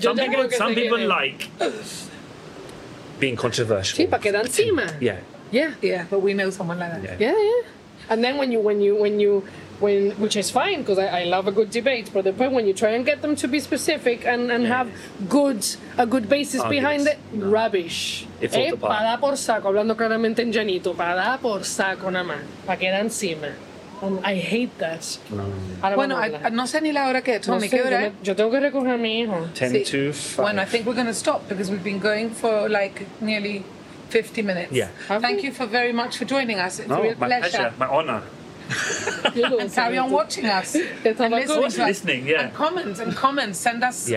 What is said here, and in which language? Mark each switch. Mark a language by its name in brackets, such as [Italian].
[English] Some people like being controversial. [Spanish] Sí, para quedar encima. [English] Yeah. But we know someone like that. Yeah. And then when which is fine because I love a good debate. But the point when you try and get them to be specific and have a good basis behind it, no. Rubbish. It falls apart. [Spanish] Para por saco, hablando claramente en llanito, para por saco nada más, para quedar encima. [English] I hate that. No. [Spanish] Bueno, no sé ni la hora que es, Tommy. sé, ¿qué hora? Yo tengo que recoger a mi hijo. [English] 10 to 5. Bueno, I think we're going to stop because we've been going for like nearly 50 minutes. Yeah. Thank you for very much for joining us. It's no, a real pleasure. My pleasure, my honor. And carry on watching us. And listening, yeah. And comment. Send us in